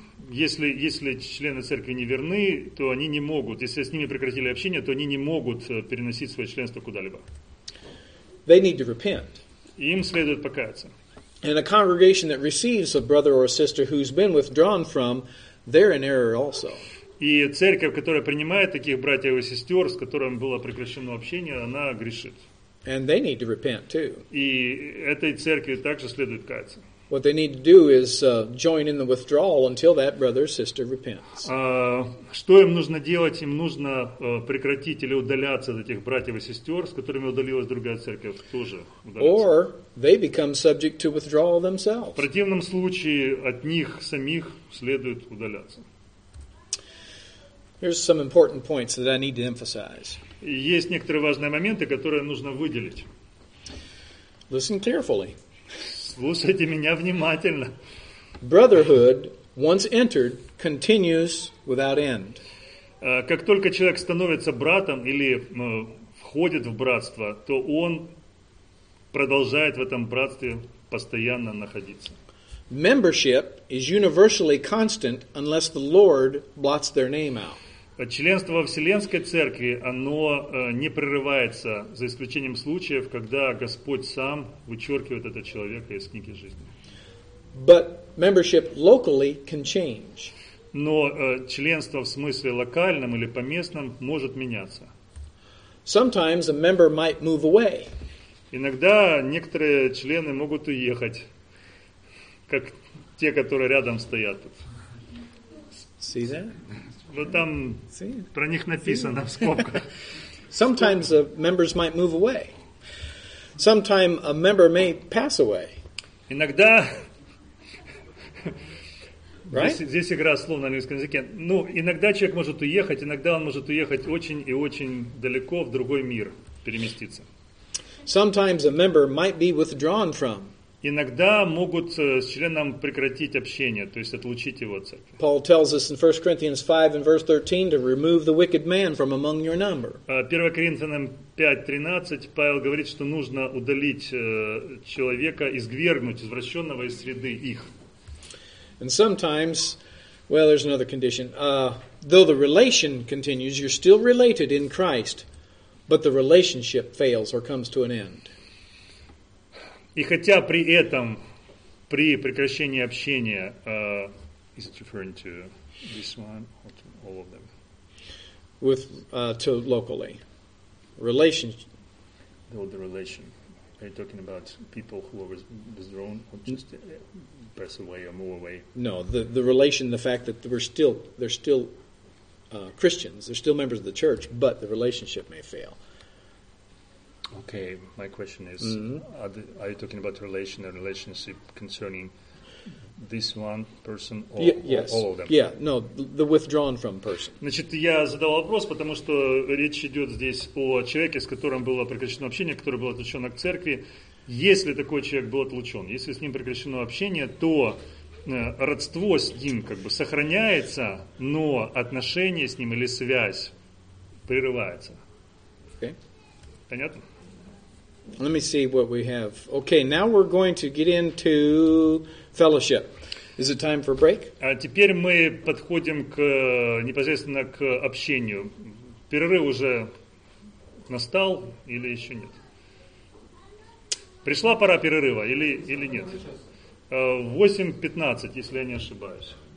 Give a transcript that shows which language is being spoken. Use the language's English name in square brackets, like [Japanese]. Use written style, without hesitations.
[Russian] Если члены церкви неверны, то они не могут. Если с ними прекратили общение, то они не могут переносить свое членство куда-либо. [English] They need to repent. [Russian] Им следует покаяться. [English] And a congregation that receives a brother or a sister who's been withdrawn from, they're in error also. [Russian] И церковь, которая принимает таких братьев и сестер, с которым было прекращено общение, она грешит. [English] And they need to repent too. [Russian] И этой церкви также следует каяться. [English] What they need to do is join in the withdrawal until that brother or sister repents. [Russian] Что им нужно делать? Им нужно прекратить или удаляться от этих братьев и сестер, с которыми удалилась другая церковь, тоже удаляться. [English] Or they become subject to withdrawal themselves. [Russian] В противном случае от них самих следует удаляться. [English] Here's some important points that I need to emphasize. [Russian] Есть некоторые важные моменты, которые нужно выделить. [English] Listen carefully. [Russian] Слушайте меня внимательно. [English] Brotherhood, once entered, continues without end. [Russian] Как только человек становится братом или входит в братство, то он продолжает в этом братстве постоянно находиться. [English] Membership is universally constant unless the Lord blots their name out. [Russian] Членство во Вселенской Церкви, оно не прерывается, за исключением случаев, когда Господь сам вычеркивает этого человека из книги жизни. [English] But membership locally can change. [Russian] Но членство в смысле локальном или поместном может меняться. [English] Sometimes a member might move away. [Russian] Иногда некоторые члены могут уехать, как те, которые рядом стоят тут. [English] See that? [Russian] Но там про них написано в скобках. [English] Sometimes the members might move away. Sometime a member may pass away. [Russian] Иногда [English] right? [Russian] Здесь игра слов на английском языке. Ну, иногда человек может уехать, иногда он может уехать очень и очень далеко в другой мир, переместиться. [English] Sometimes a member might be withdrawn from. [Russian] Иногда могут с членом прекратить общение, то есть отлучить его от церкви. [English] Paul tells us in 1 Corinthians 5 and verse 13 to remove the wicked man from among your number. [Russian] 1 Коринфянам 5:13 Павел говорит, что нужно удалить человека, извергнуть извращенного из среды их. [English] And sometimes, well, there's another condition. Though the relation continues, you're still related in Christ, but the relationship fails or comes to an end. [Russian] И хотя при этом, при прекращении общения, [English] is it referring to this one or to all of them? With to locally, relation. Though the relation. Are you talking about people who are withdrawn or just press away or move away? No, the relation, the fact that they're still Christians, they're still members of the church, but the relationship may fail. Okay, my question is, mm-hmm. are you talking about relation or relationship concerning this one person or, yes. or all of them? Yeah, no, the withdrawn from person. [Russian] Значит, я задал вопрос, потому что речь идет здесь о человеке, с которым было прекращено общение, который был отлучен от церкви. Если такой человек был отлучен, если с ним прекращено общение, то родство с ним как бы сохраняется, но отношение с ним или связь прерывается. [English] Okay. [Russian] Понятно? [English] Let me see what we have. Okay, now we're going to get into fellowship. Is it time for a break? [Russian] Теперь мы подходим к непосредственно к общению. Перерыв уже настал или еще нет? Пришла пора перерыва или нет? 8:15, если я не ошибаюсь.